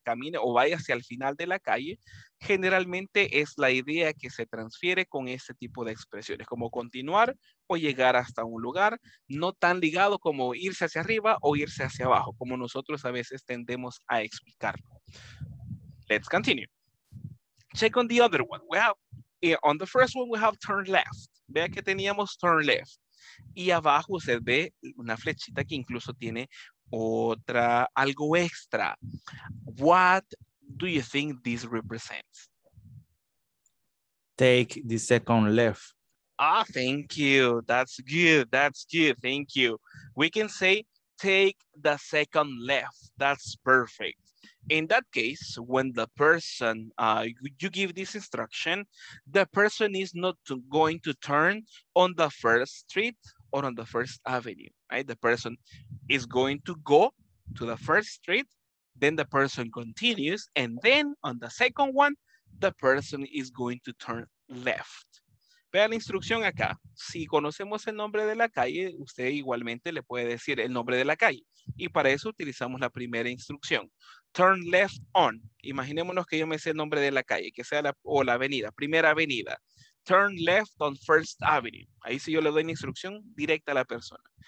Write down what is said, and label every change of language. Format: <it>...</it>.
<es>Camine o vaya hacia el final de la calle. Generalmente es la idea que se transfiere con este tipo de expresiones, como continuar o llegar hasta un lugar, no tan ligado como irse hacia arriba o irse hacia abajo, como nosotros a veces tendemos a explicarlo.</es> <en>Let's continue. Check on the other one. We have, on the first one, we have turn left.</en> <es>Vea que teníamos</es> <en>turn left.</en> <es>Y abajo usted ve una flechita que incluso tiene otra, algo extra.</es> <en>What do you think this represents? Take the second left. Ah, thank you. That's good. That's good. Thank you. We can say take the second left. That's perfect. In that case, when the person, you give this instruction, the person is not going to turn on the first street or on the first avenue, right? The person is going to go to the first street, then the person continues, and then on the second one, the person is going to turn left.</en> <es>Vea la instrucción acá. Si conocemos el nombre de la calle, usted igualmente le puede decir el nombre de la calle. Y para eso utilizamos la primera instrucción.</es> <en>Turn left on.</en> <es>Imaginémonos que yo me sé el nombre de la calle, que sea la, o la avenida, primera avenida.</es> <en>Turn left on First Avenue.</en> <es>Ahí sí yo le doy la instrucción directa a la persona.</es>